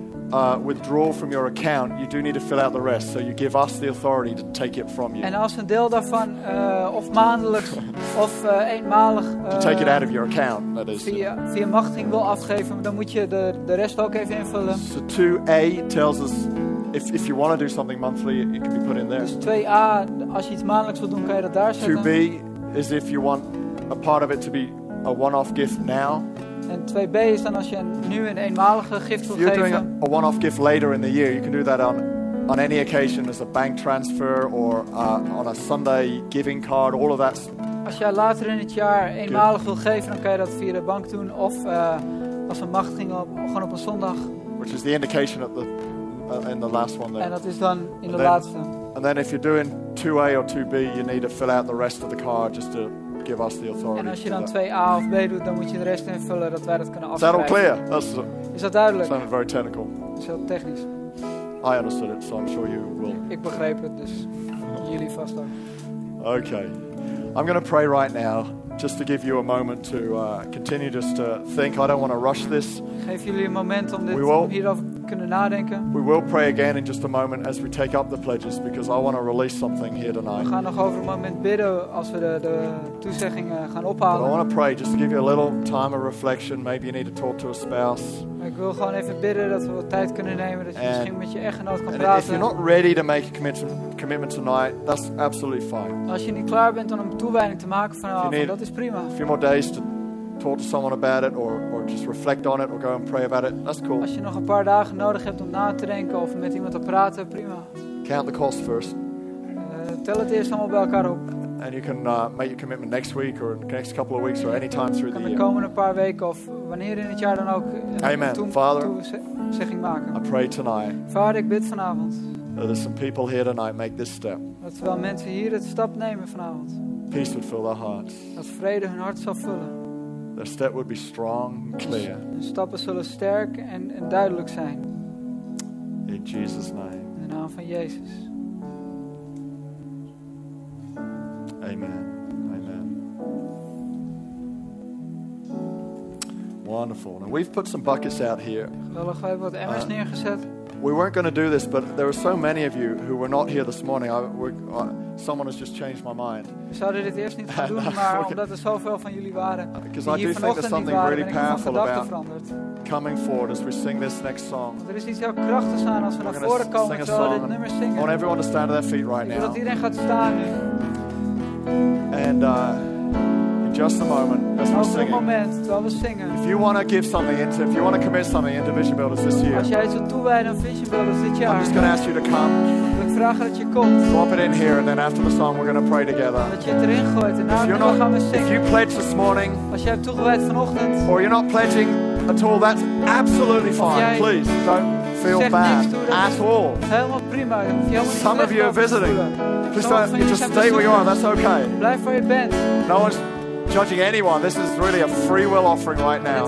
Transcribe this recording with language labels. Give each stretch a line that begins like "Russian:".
English: withdraw from your account, you do need to fill out the rest. So you give us the authority to take it from you.
Dutch: En als een deel daarvan of maandelijks of eenmalig
English: to take it out of your account, that is,
Dutch: via machtiging wil afgeven, dan moet je de rest ook even invullen.
English: So 2a tells us if you want to do something monthly, it can be put in there.
Dutch: Dus 2a, als je iets maandelijks wil doen, kan je dat daar zetten.
English: 2b is if you want a part of it to be a one-off gift now.
Dutch: En 2b is dan als je nu een eenmalige gift wil geven.
English: If you're doing a one-off gift later in the year, you can do that on any occasion as a bank transfer or on a Sunday giving card, all of that.
Dutch: Als jij later in het jaar eenmalig wil geven, dan kan je dat via de bank doen of als een machtiging gewoon op een zondag.
English: Which is the indication at the in the last one there.
Dutch: En dat is dan in de laatste.
English: And then if you're doing 2a or 2b, you need to fill out the rest of the card just to give us the authority.
Dutch: En als je dan 2a of b doet, dan moet je de rest invullen dat wij dat kunnen afkrijgen.
English: Is that all clear?
Dutch: Is dat duidelijk?
English: Sounds very technical.
Dutch: Is heel technisch.
English: I understood it, so I'm sure you will.
Dutch: Ik begreep het, dus jullie vast ook.
English: Okay. I'm going to pray right now, just to give you a moment to continue just to think. I don't want to rush this.
Dutch: Geef jullie een moment om dit hierover te kunnen nadenken.
English: We will pray again in just a moment as we take up the pledges, because I want to release something here tonight.
Dutch: We gaan nog over een moment bidden als we de toezeggingen gaan ophalen.
English: But I want to pray just to give you a little time of reflection. Maybe you need to talk to a spouse.
Dutch: Ik wil gewoon even bidden dat we wat tijd kunnen nemen, dat je misschien met je echtgenoot kan praten.
English: And if you're not ready to make a commitment tonight, that's absolutely fine.
Dutch: Als je niet klaar bent om een toewijding te maken vanavond, dat is prima.
English: A few more days to talk to someone about it, or just reflect on it, or go and pray about it, that's cool.
Dutch: Als je nog een paar dagen nodig hebt om na te denken of met iemand te praten, prima.
English: Count the cost first.
Dutch: Tel het eerst allemaal bij elkaar op.
English: And you can make your commitment next week or the next couple of weeks or any time through the year.
Dutch: Kan de komende paar weken of wanneer in het jaar dan ook.
English: Amen. Father,
Dutch: toezegging maken.
English: I pray tonight.
Dutch: Vader, ik bid vanavond.
English: There's some people here tonight. Make this step.
Dutch: Dat wel mensen hier het stap nemen vanavond.
English: Peace would fill their hearts.
Dutch: Dat vrede hun hart zal vullen.
English: Their step would be strong and clear.
Dutch: Hun stappen zullen sterk en duidelijk zijn.
English: In Jesus' name.
Dutch: In de naam van Jezus.
English: Amen. Amen. Wonderful. Now we've put some buckets out here.
Dutch: Geweldig, we hebben wat emmers neergezet.
English: We weren't going to do this, but there were so many of you who were not here this morning. Someone has just changed my mind.
Dutch: We zouden dit eerst niet doen, maar omdat er zoveel van jullie waren.
English: Because I do think there's something really powerful about coming forward as we sing this next song.
Dutch: Er is iets heel krachtigs aan als we naar voren komen en zo dit nummer zingen.
English: I want everyone to stand to their feet right now.
Dutch: Ik wil dat iedereen gaat staan nu.
English: And in just a moment, as we're singing,
Dutch: moment, terwijl we singen,
English: if you want to give something into, if you want to commit something into Vision Builders this year,
Dutch: als jij iets wilt toewijden aan Vision Builders dit jaar,
English: I'm just going to ask you to come.
Dutch: Ik vraag dat je komt.
English: Drop it in here, and then after the song, we're going to pray together.
Dutch: Dat je het erin gooit, en daarna nou gaan we zingen.
English: If you pledge this morning,
Dutch: als jij hebt toegewijd vanochtend,
English: or you're not pledging at all, that's absolutely fine. Please don't feel bad at all.
Dutch: Helemaal prima.
English: Some of you are visiting. Just stay where you are, that's okay.
Dutch: Blijf waar je bent.
English: No one's judging anyone. This is really a free will offering right now.